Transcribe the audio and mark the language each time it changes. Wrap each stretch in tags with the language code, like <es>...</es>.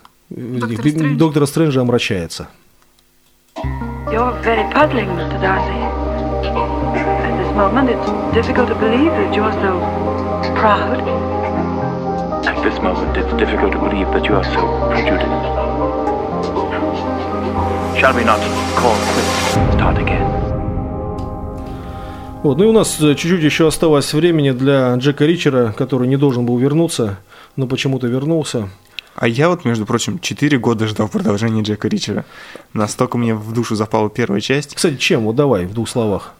<ru>Доктора Стрэнджа омрачается.</ru> <en>You're very puzzling, Mr. Darcy. At this moment it's difficult to believe that you're so proud. At this moment it's difficult to believe that you are so prejudiced. Shall we not call quits and start again?</en> <ru>Вот, ну и у нас чуть-чуть еще осталось времени для Джека Ричера, который не должен был вернуться, но почему-то вернулся. А я вот, между прочим, 4 года ждал продолжения Джека Ричера. Настолько мне в душу запала первая часть. Кстати, чем? Вот давай, в двух словах.</ru>